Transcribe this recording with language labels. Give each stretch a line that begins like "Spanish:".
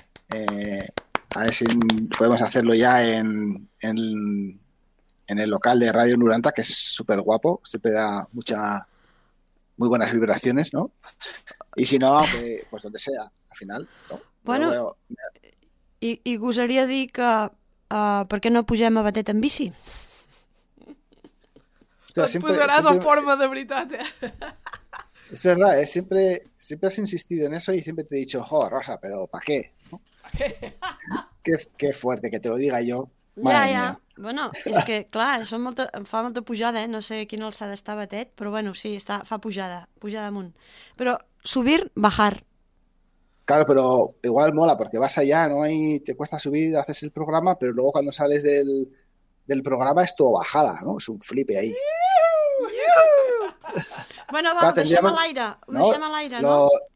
Spanish: A ver si podemos hacerlo ya en el local de Radio Nuranta, que es súper guapo, siempre da muy buenas vibraciones, ¿no? Y si no, pues donde sea, al final, ¿no? Bueno.
Catalan: I gosaria dir que per què no pugem a Batet en bici? Hòstia, et posaràs en forma, de veritat, eh? És verdad, eh? Sempre has insistit en eso i sempre t'he dicho, jo, Rosa, però pa què?
Spanish: Que fuerte que te lo diga yo.
Catalan: Ja. Bueno, és que, clar, fa molta pujada, eh? No sé quina alçada està Batet, però bueno, sí, fa pujada amunt.
Spanish: Però subir, bajar. Claro, pero igual mola porque vas allá, ¿no? Y te cuesta subir, haces el programa, pero luego cuando sales del programa es todo bajada, ¿no? Es un flipe ahí.
Catalan: Bueno, va, deixem al aire, ¿no?